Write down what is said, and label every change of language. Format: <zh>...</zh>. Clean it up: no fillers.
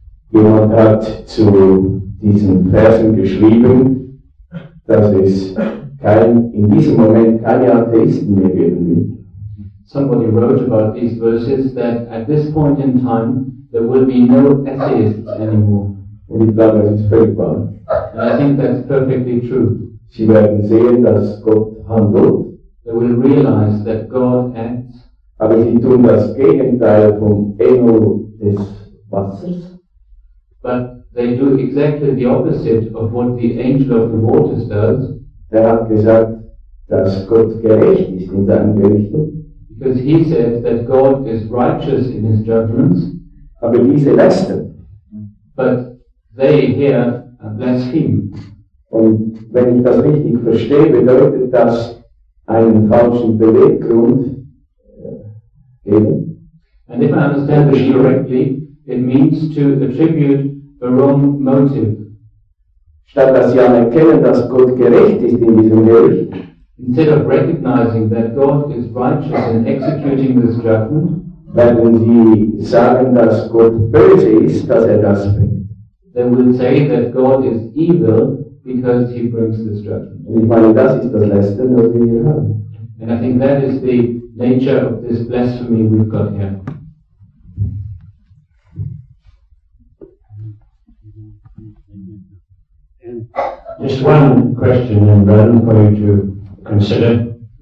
<de>Jemand hat zu diesen Versen geschrieben, dass es kein, in diesem Moment keine Atheisten mehr geben wird.</de> <en>Somebody wrote about these verses that at this point in time there will be no atheists anymore.</en> <de>Und ich glaube, das ist völlig wahr.</de> <en>And I think that's perfectly true.</en> <de>Sie werden sehen, dass Gott handelt.</de> <en>They will realize that God acts.</en> <de>Aber sie tun das Gegenteil vom Engel des Wassers.</de> <en>But they do exactly the opposite of what the angel of the waters does.</en> <de>Er hat gesagt, dass Gott gerecht ist in seinen Gerichten.</de> <en>Because he said that God is righteous in his judgments.</en> <de>Aber diese lästern.</de> <en>But they here blaspheme.</en> <de>Und wenn ich das richtig verstehe, bedeutet das einen falschen Beweggrund geben.</de> <en>And if I understand this correctly, it means to attribute a wrong motive.</en> <de>Statt dass sie anerkennen, dass Gott gerecht ist in diesem Gericht.</de> <en>Instead of recognizing that God is righteous in executing this judgment,</en> <de>werden sie sagen, dass Gott böse ist, dass er das bringt.</de> <en>They will say that God is evil because he brings this judgment.</en> <de>Und ich meine, das ist das Lästern, was wir hier haben.</de> <en>And I think that is the nature of this blasphemy we've got here. Just one question then, Brandon, for you to consider.</en>